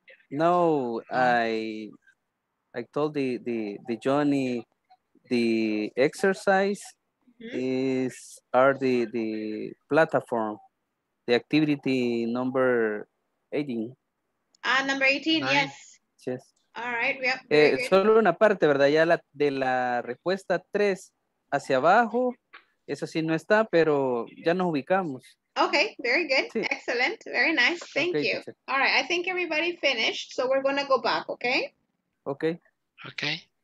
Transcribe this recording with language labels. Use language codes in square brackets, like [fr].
[en] No, I told the Johnny the exercise is the platform, the activity number 18. Number 18, nice. Yes. Yes. All right, yep, [es] solo una parte, ¿verdad? Ya de la respuesta 3 hacia abajo, eso sí no está, pero ya nos ubicamos. [en] Okay, very good, sí. Excellent, very nice, thank okay, you. Teacher. All right, I think everybody finished, so we're going to go back, okay? Okay. Okay.